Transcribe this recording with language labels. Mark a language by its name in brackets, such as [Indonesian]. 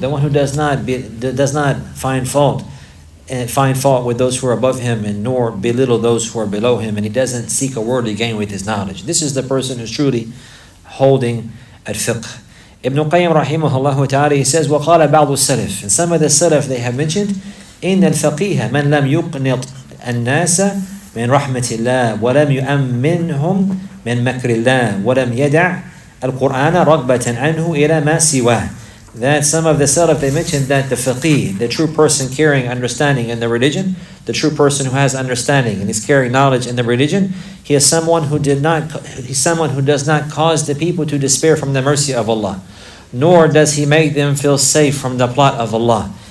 [English] The one who does not find fault. And find fault with those who are above him, and nor belittle those who are below him, and he doesn't seek a worldly gain with his knowledge. This is the person who's truly holding at fiqh. Ibn Qayyim rahimahullah ta'ala, he says, [Arabic] وَقَالَ بَعْضُ السَّلَفِ. [English] And some of the salaf they have mentioned, [Arabic] إِنَّ الْفَقِيهَ مَنْ لَمْ يُقْنِطْ النَّاسَ مِنْ رَحْمَةِ اللَّهِ وَلَمْ يُؤَمِّنْهُمْ مِنْ مَكْرِ اللَّهِ وَلَمْ يَدَعْ الْقُرْآنَ رَغْبَةً عَنْهُ إِلَى مَا سِوَاهُ. [English] Then some of the Salaf, they mentioned that the faqih, the true person carrying understanding in the religion, the true person who has understanding and is carrying knowledge in the religion, he is someone who did not, he's someone who does not cause the people to despair from the mercy of Allah, nor does he make them feel safe from the plot of Allah.